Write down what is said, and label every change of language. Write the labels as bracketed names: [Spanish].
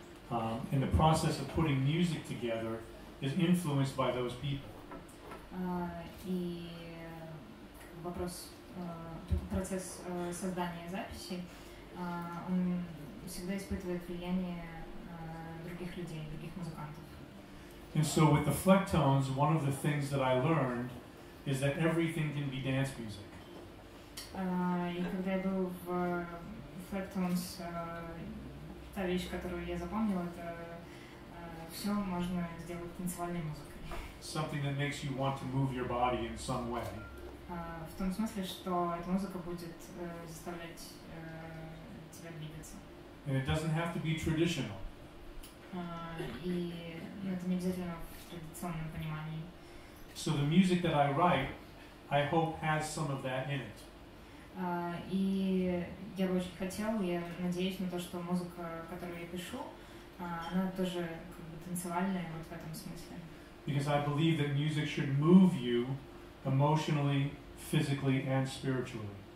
[English] and the process of putting music together is influenced by those people. [Russian] И вопрос, процесс создания записи, он всегда испытывает влияние других людей, других музыкантов. [English] And so with the Flecktones, one of the things that I learned is that everything can be dance music. [Russian] И когда я был в Flecktones, та вещь, которую я запомнил, это все можно сделать танцевальной музыкой. [English] Something that makes you want to move your body in some way. [Russian] В том смысле, что эта музыка будет заставлять тебя двигаться. [English] And it doesn't have to be traditional. [Russian] Это не обязательно в традиционном понимании. [English] So the music that I write, I hope has some of that in it. [Russian] И я бы очень хотел, я надеюсь на то, что музыка, которую я пишу, она тоже как бы танцевальная вот в этом смысле. [English] Because I believe that music should move you emotionally, physically, and spiritually.